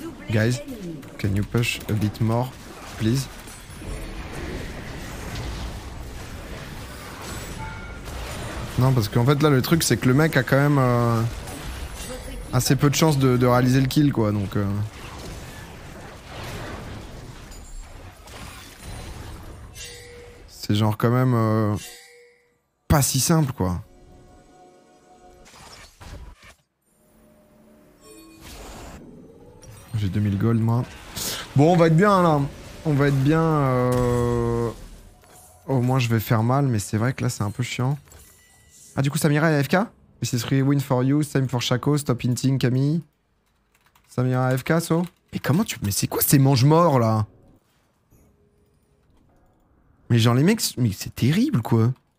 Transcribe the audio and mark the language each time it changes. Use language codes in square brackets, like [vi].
[en] Guys, can you push a bit more, please? [fr] Non, parce qu'en fait, là, le truc, c'est que le mec a quand même assez peu de chances de réaliser le kill, quoi. Donc. C'est genre quand même. Pas si simple, quoi. J'ai 2000 gold, moi. Bon, on va être bien, là. On va être bien. Au moins, je vais faire mal, mais c'est vrai que là, c'est un peu chiant. Ah, du coup, Samira est AFK? [en] This is free win for you, same for Shaco, stop hinting, Camille. Samira AFK, so? [fr] Mais comment tu... Mais c'est quoi ces mange-morts, là? Mais genre, les mecs... Mais c'est terrible, quoi.